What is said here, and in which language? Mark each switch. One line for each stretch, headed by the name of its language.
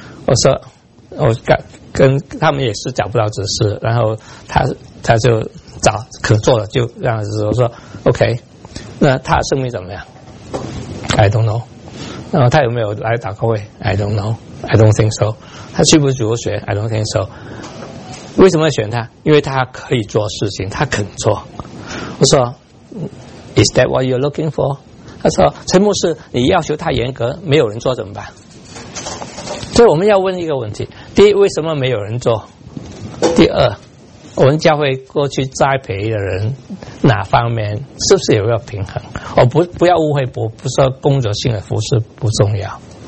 Chinese: 我说我跟他们也是找不到指示，然后他就找可做的就让指示，我说 OK。那他的生命怎么样 ？
English: I don't know。
Chinese: 那么他有没有来祷告会 ？I don't know。
English: I don't think so。
Chinese: 他去不去主日学 ？
English: I don't think so。
Chinese: 为什么要选他？因为他可以做事情，他肯做。我说 ，
English: Is that what you're looking for？
Chinese: 他说，陈牧师，你要求太严格，没有人做怎么办？所以我们要问一个问题：第一，为什么没有人做？第二，我们教会过去栽培的人哪方面是不是有一个平衡？我不要误会，不是工作性的服事不重要。